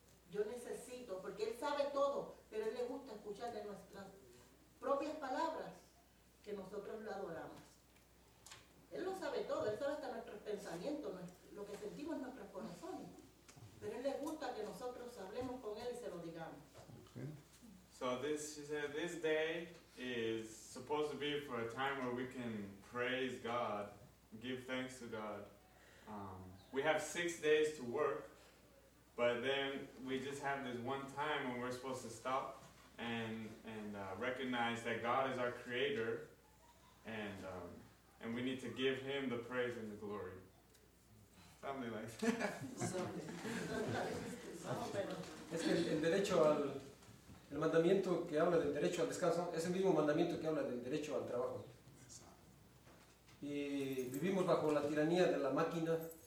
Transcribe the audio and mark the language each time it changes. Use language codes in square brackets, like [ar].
[es] Yo necesito, porque Él sabe todo, pero Él le gusta escuchar de nuestras propias palabras, que nosotros lo adoramos. Él lo sabe todo, Él sabe hasta nuestros pensamientos, lo que sentimos en nuestros corazones. Pero Él le gusta que nosotros hablemos con Él y se lo digamos. [en] Okay. So this, she said, this day is supposed to be for a time where we can praise God, give thanks to God. We have 6 days to work, but then we just have this one time when we're supposed to stop and recognize that God is our creator, and we need to give Him the praise and the glory. Something like that. [es] Es que el derecho al, el mandamiento que habla del derecho al descanso, es el mismo mandamiento que habla del derecho al trabajo. Y vivimos bajo la tiranía de la máquina.